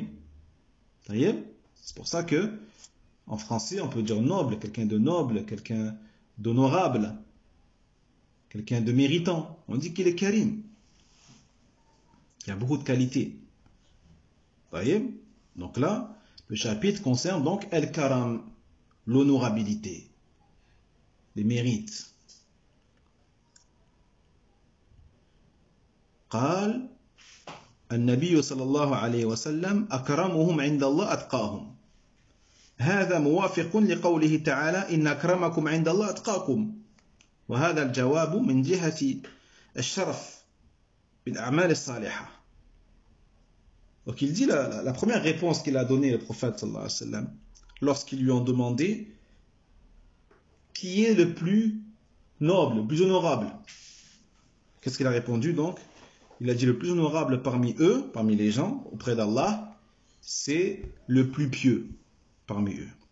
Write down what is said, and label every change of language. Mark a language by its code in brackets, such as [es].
[fr] Vous voyez? C'est pour ça que, en français, on peut dire noble, quelqu'un de noble, quelqu'un d'honorable, quelqu'un de méritant. On dit qu'il est karim. Il a beaucoup de qualités. Vous voyez? Donc là, le chapitre concerne donc el karam, l'honorabilité, les mérites. [ar] قال النبي صلى الله عليه وسلم أكرمهم عند الله أتقاهم هذا موافق لقوله تعالى إن أكرمكم عند الله أتقاكم وهذا الجواب من جهة الشرف بالأعمال الصالحة. [fr] Donc il dit la première réponse qu'il a donnée le prophète صلى الله عليه وسلم lorsqu'ils lui ont demandé qui est le plus noble, le plus honorable. Qu'est-ce qu'il a répondu donc? Il a dit le plus honorable parmi eux, parmi les gens, auprès d'Allah, c'est le plus pieux parmi eux.